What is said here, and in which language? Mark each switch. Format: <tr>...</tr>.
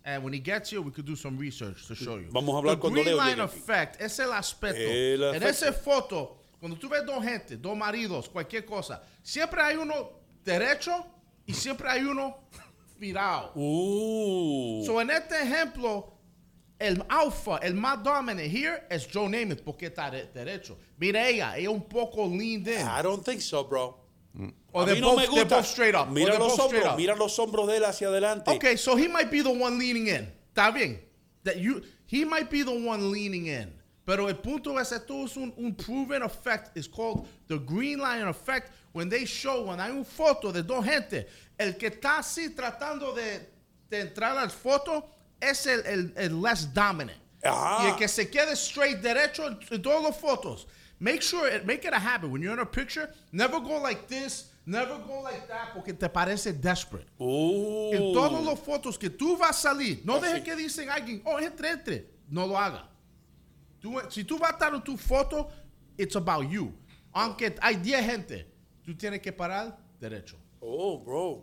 <en>And when he gets here, we could do some research to show you.</en> <es>Vamos a hablar cuando Leo llegue.</es> <en>The green line effect,</en> <es>ese es el aspecto. En esa foto, cuando tú ves dos gente, dos maridos, cualquier cosa, siempre hay uno derecho y siempre hay uno virado. So en este ejemplo, el alfa, el más</es> <en>dominant here,</en> <es>es Joe Namath, porque está derecho. Mira ella un poco</es> <en>leaned in. I don't think so, bro. Or</en> <es>a mí no me gusta.</es> <en>Straight up.</en> <es>Mira los hombros. Mira los hombros de él hacia adelante.</es> <en>Okay, so he might be the one leaning in.</en> <es>Está bien.</es> <en>He might be the one leaning in.</en> <es>Pero el punto es que esto es un</es> <en>proven effect. It's called the green line effect. When they show, when</en> <es>hay una foto de dos gente, el que está así tratando de entrar a la foto es el</es> <en>less dominant. Ajá.</en> <es>Y el que se quede</es> <en>straight</en> <es>derecho en todas las fotos.</es> <en>Make it a habit. When you're in a picture, never go like this. Never go like that</en> <es>porque te parece</es> <en>desperate.</en> <es>En todas las fotos que tú vas a salir, no dejes que dicen alguien, entre. No lo haga. Si tú vas a estar en tu foto,</es> <en>it's about you.</en> <es>Aunque hay 10 gente, tú tienes que parar derecho.</es> <en>Oh, bro.</en>